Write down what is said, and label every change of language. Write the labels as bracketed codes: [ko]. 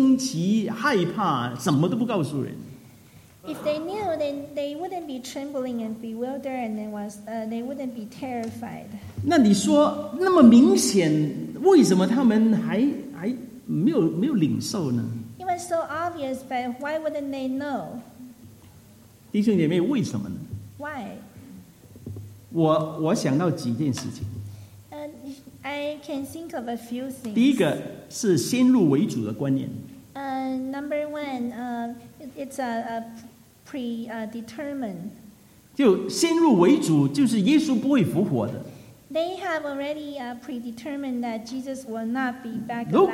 [zh] 如果有,他们就不需要发抖,惊奇,害怕,什么都不告诉人。 [en] If they knew, then they wouldn't be trembling and bewildered, and they wouldn't be terrified. [zh] 那你说,那么明显,为什么他们还没有领受呢? [en] It was so obvious, but why wouldn't they know? [zh] 弟兄姐妹,为什么呢? [en] Why? [zh] 我想到几件事情。 [en] I can think of a few things. [zh] 第一个是先入为主的观念。 [en] Number one, it's a predetermined. [zh] 就先入为主，就是耶稣不会复活的。 [en] They have already predetermined that Jesus will not be back.